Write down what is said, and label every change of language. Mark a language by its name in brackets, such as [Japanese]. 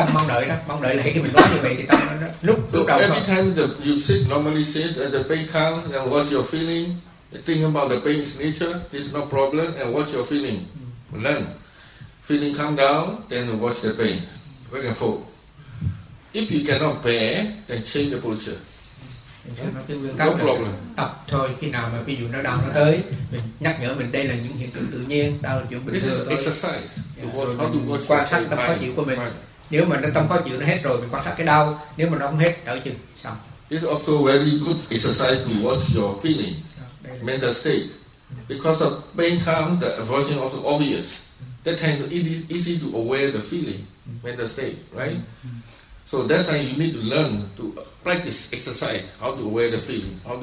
[Vietnamese] Tại vì cái tâm mong đợi đó, mong đợi là khi mình nói như vậy thì tâm nó lúc đầu thôi. [English] Every time that you sit, normally sit, and the pain comes, and what's your feeling, think about the pain's nature, this is no problem, and what's your feeling, learn. Feeling come down, then watch the pain, back and forth. If you cannot bear, then change the posture. [Vietnamese] Nó tập thôi, khi nào mà ví dụ nó đau nó tới mình nhắc nhở mình đây là những hiện tượng tự nhiên, đau là chuyện bình thường thôi. [English] Exercise. [Vietnamese] Quan sát tâm khó chịu của mình. Nếu mà nó tâm khó chịu nó hết rồi mình quan sát cái đau, nếu mà nó không hết đợi chừng xong. [English] This also very good exercise to watch your feeling, mental state. Because of pain come, the aversion also obvious. That time it is easy to aware the feeling, mental state, right? So that time you need to learn to practice exercise, how to wear the feeling.